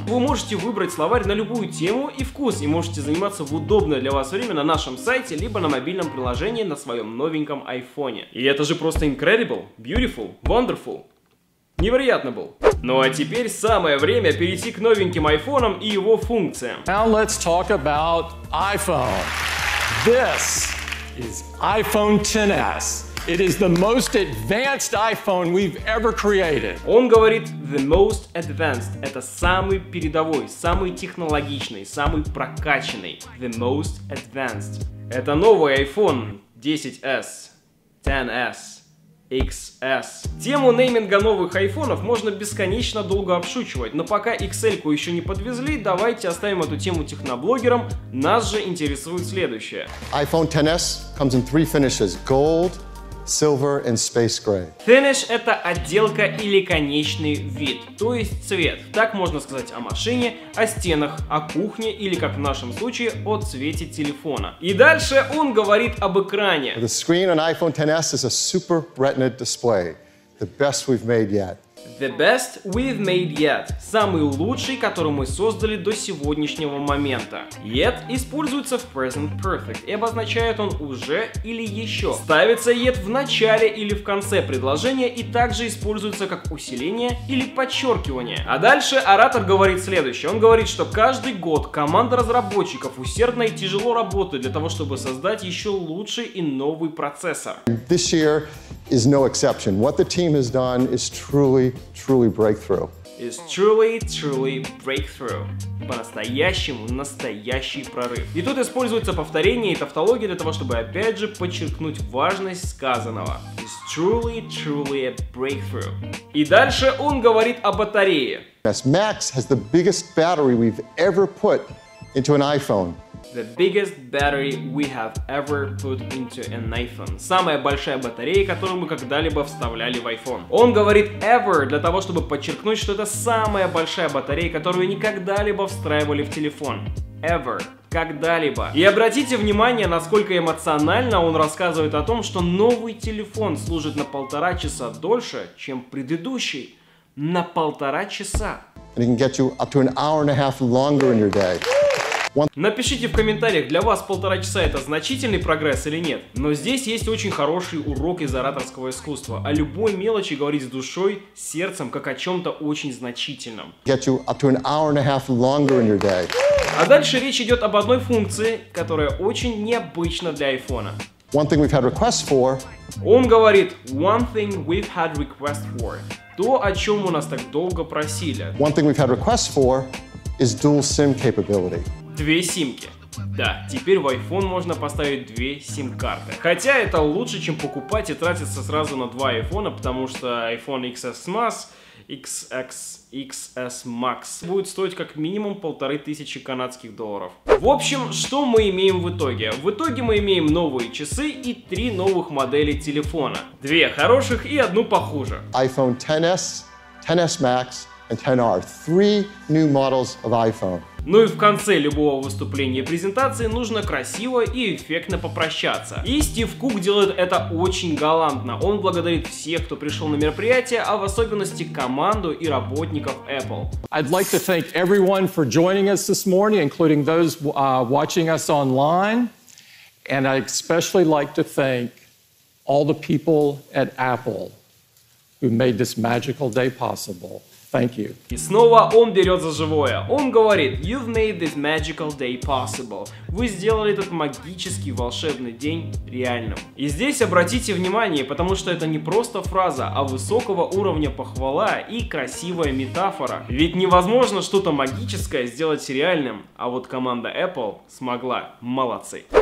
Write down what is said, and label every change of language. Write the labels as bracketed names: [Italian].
[Russian] Вы можете выбрать словарь на любую тему и вкус, и можете заниматься в удобное для вас время на нашем сайте, либо на мобильном приложении на своем новеньком айфоне. И это же просто [English] incredible, beautiful, wonderful. [Russian] Невероятно был. Ну а теперь самое время перейти к новеньким айфонам и его функциям. [English] Now let's talk about iPhone. This is iPhone XS. It is the most advanced iPhone we've ever created. [Russian] Он говорит [English] the most advanced. [Russian] Это самый передовой, самый технологичный, самый прокачанный. [English] The most advanced. [Russian] Это новый iPhone 10S, 10S. [English] XS. [Russian] Тему нейминга новых айфонов можно бесконечно долго обшучивать, но пока XL-ку еще не подвезли, давайте оставим эту тему техноблогерам. Нас же интересует следующее. [English] iPhone XS comes in three finishes: gold, silver and space gray. [Russian] Finish – это отделка или конечный вид, то есть цвет. Так можно сказать о машине, о стенах, о кухне или, как в нашем случае, о цвете телефона. И дальше он говорит об экране. [English] The screen on iPhone XS is a Super Retina display, the best we've made yet. The best we've made yet. [Russian] Самый лучший, который мы создали до сегодняшнего момента. Yet используется в present perfect и обозначает он уже или еще. Ставится yet в начале или в конце предложения и также используется как усиление или подчеркивание. А дальше оратор говорит следующее. Он говорит, что каждый год команда разработчиков усердно и тяжело работает для того, чтобы создать еще лучший и новый процессор. [English] This year is no exception. What the team has done is truly, truly breakthrough. Is truly, truly breakthrough. [Russian] По-настоящему настоящий прорыв. И тут используется повторение и тавтология для того, чтобы опять же подчеркнуть важность сказанного. [English] Is truly, truly a breakthrough. [Russian] И дальше он говорит о батарее. [English] Yes, Max has the biggest battery we've ever put into an iPhone. The biggest battery we have ever put into an iPhone. [Russian] Самая большая батарея, которую мы когда-либо вставляли в iPhone. Он говорит ever для того, чтобы подчеркнуть, что это самая большая батарея, которую никогда-либо встраивали в телефон. Ever. Когда-либо. И обратите внимание, насколько эмоционально он рассказывает о том, что новый телефон служит на 1.5 часа дольше, чем предыдущий. На 1.5 часа. [English] And it can get you up to an hour and a half longer in your day. [Russian] Напишите в комментариях, для вас 1.5 часа это значительный прогресс или нет. Но здесь есть очень хороший урок из ораторского искусства. О любой мелочи говорить с душой, сердцем, как о чем-то очень значительном. [English] Get you up to an hour and a half longer in your day. [Russian] А дальше речь идет об одной функции, которая очень необычна для айфона. [English] One thing we've had requests for. [Russian] Он говорит, [English] one thing we've had requests for. [Russian] То, о чем у нас так долго просили. [English] One thing we've had requests for is dual SIM capability. [Russian] Две симки. Да, теперь в iPhone можно поставить две сим-карты. Хотя это лучше, чем покупать и тратиться сразу на два iPhone, потому что iPhone XS Max, XS Max будет стоить как минимум 1500 канадских долларов. В общем, что мы имеем в итоге? В итоге мы имеем новые часы и три новых модели телефона. Две хороших и одну похуже. [English] iPhone XS, XS Max and XR. [Russian] Три [English] new models of iPhone. [Russian] Ну и в конце любого выступления и презентации нужно красиво и эффектно попрощаться. И Стив Кук делает это очень галантно. Он благодарит всех, кто пришел на мероприятие, а в особенности команду и работников Apple. [English] I'd like to thank everyone for joining us this morning, including those watching us online. And I'd especially like to thank all the people at Apple who made this magical day possible. Thank you. [Russian] И снова он берет за живое. Он говорит: [English] You've made this magical day possible. [Russian] Вы сделали этот магический волшебный день реальным. И здесь обратите внимание, потому что это не просто фраза, а высокого уровня похвала и красивая метафора. Ведь невозможно что-то магическое сделать реальным, а вот команда Apple смогла. Молодцы.